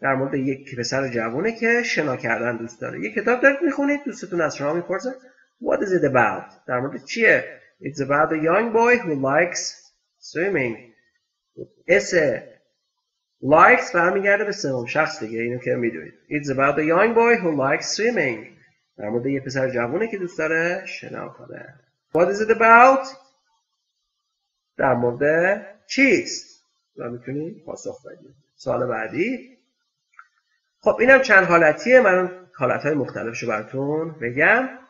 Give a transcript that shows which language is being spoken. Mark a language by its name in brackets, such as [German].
[Persian] در مورد یک پسر جوونه که شنا کردن دوست داره. یه کتاب دارید میخونید. دوستتون از شما میپرسه [English] What is it about? [Persian] در مورد چیه؟ [English] It's about a young boy who likes swimming. [Persian] اس likes برمیگرده به سوم شخص دیگه. اینو که میدونید. [English] It's about a young boy who likes swimming. [Persian] در مورد یه پسر جوونه که دوست داره شنا کنه. [English] What is it about? [Persian] در مورد چیست؟ را میتونیم پاسخ بدیم. سوال بعدی. خب اینم چند حالتیه. من حالتهای مختلفشو براتون بگم.